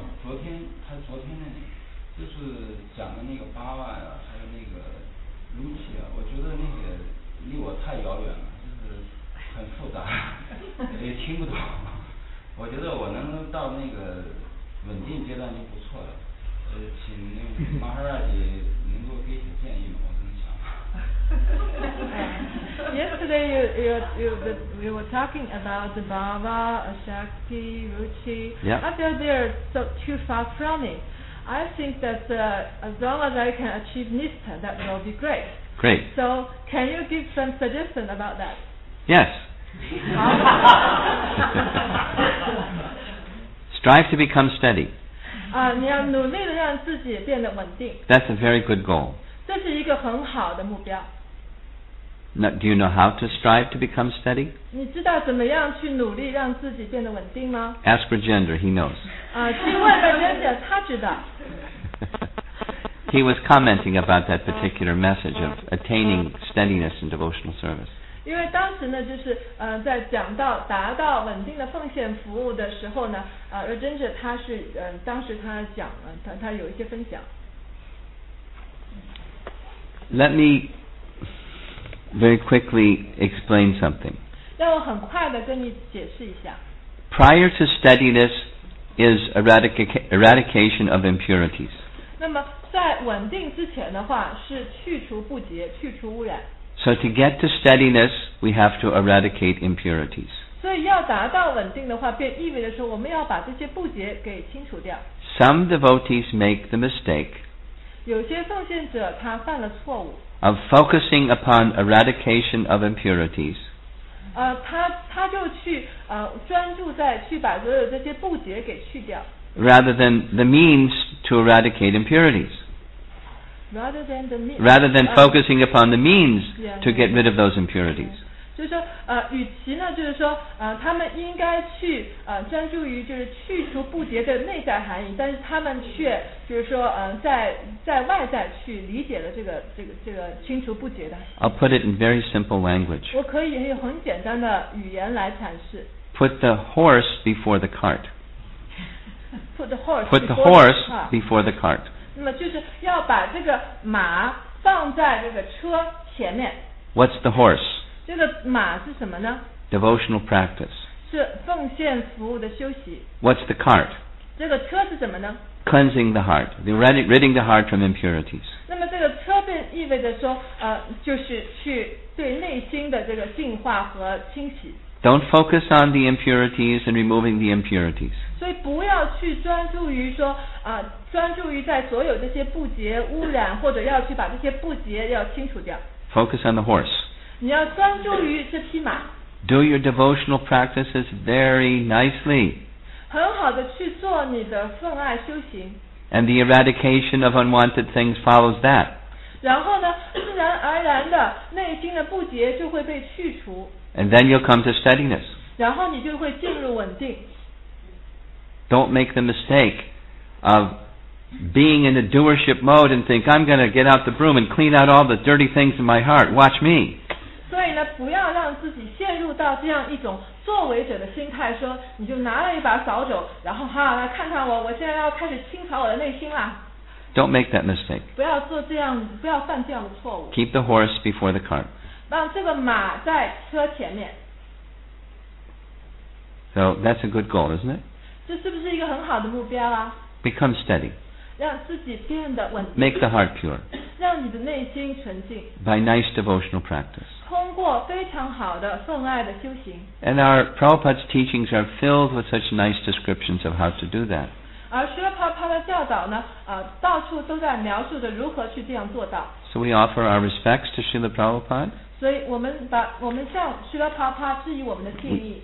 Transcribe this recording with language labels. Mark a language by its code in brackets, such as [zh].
[zh] 昨天他昨天那里就是讲的那个八万啊，还有那个如起啊，我觉得那个离我太遥远了。很复杂，也听不懂。我觉得我能到那个稳定阶段就不错了。请那个马哈拉吉能够给点建议吗？我很想。 [en] Yesterday you were talking about the Baba, Shakti, Ruchi. Yeah. I feel they're so too far from it. I think that as long as I can achieve Nista, that will be great. Great. So can you give some suggestion about that? Yes. Strive to become steady. [zh] 你要努力地让自己变得稳定。 [en] That's a very good goal. [zh] 这是一个很好的目标。 [en] Now, do you know how to strive to become steady? [zh] 你知道怎么样去努力让自己变得稳定吗？ [en] Ask Rajendra, he knows. [zh] 去问Rajendra, 他知道。 [en] He was commenting about that particular message of attaining steadiness in devotional service. [zh] 因为当时呢，就是在讲到达到稳定的奉献服务的时候呢，Rajendra他是当时他讲了，他有一些分享。 [en] Let me very quickly explain something. [zh] 让我很快的跟你解释一下。 [en] Prior to study this is eradication of impurities. [zh] 那么在稳定之前的话是去除不洁，去除污染。 [en] So to get to steadiness, we have to eradicate impurities. [zh] 所以要达到稳定的话，便意味着说我们要把这些不洁给清除掉。 [en] Some devotees make the mistake. [zh] 有些奉献者他犯了错误。 [en] Of focusing upon eradication of impurities. [zh] 他就去专注在去把所有这些不洁给去掉。 [en] Rather than the means to eradicate impurities. Rather than focusing upon the means to get rid of those impurities. [zh] 就是说，与其呢，就是说，他们应该去专注于就是去除不洁的内在含义，但是他们却就是说，在外在去理解了这个清除不洁的。 [en] I'll put it in very simple language. [zh] 我可以用很简单的语言来阐释。 [en] Put the horse before the cart. Put the horse before the cart. [zh] 那么就是要把这个马放在这个车前面。 [en] What's the horse? [zh] 这个马是什么呢？ [en] Devotional practice. [zh] 是奉献服务的修习。 [en] What's the cart? [zh] 这个车是什么呢？ [en] Cleansing the heart, ridding the heart from impurities. [zh] 那么这个车便意味着说，就是去对内心的这个净化和清洗。 [en] Don't focus on the impurities and removing the impurities. [zh] 所以不要去专注于说专注于在所有这些不洁污染，或者要去把这些不洁要清除掉。 [en] Focus on the horse. [zh] 你要专注于这匹马。 [en] Do your devotional practices very nicely. [zh] 很好的去做你的奉爱修行。 [en] And the eradication of unwanted things follows that. [zh] 然后呢，自然而然的内心的不洁就会被去除。 [en] And then you'll come to steadiness. [zh] 然后你就会进入稳定。 [en] Don't make the mistake. Of being in a doership mode and think I'm going to get out the broom and clean out all the dirty things in my heart. Watch me. [zh] 所以呢，不要让自己陷入到这样一种作为者的心态，说你就拿了一把扫帚，然后好来看看我，我现在要开始清扫我的内心了。 [en] Don't make that mistake. [zh] 不要做这样，不要犯这样的错误。 [en] Keep the horse before the cart. [zh] 让这个马在车前面。 [en] So that's a good goal, isn't it? [zh] 这是不是一个很好的目标啊？ [en] Become steady. [zh] 让自己变得稳定。 [en] Make the heart pure. [zh] 让你的内心纯净。 [en] By nice devotional practice. [zh] 通过非常好的奉爱的修行。 [en] And our Prabhupada's teachings are filled with such nice descriptions of how to do that. [zh] 而Srila Prabhupada的教导呢，到处都在描述着如何去这样做到。 [en] So we offer our respects to Srila Prabhupada. [zh] 所以我们向Srila Prabhupada致以我们的敬意。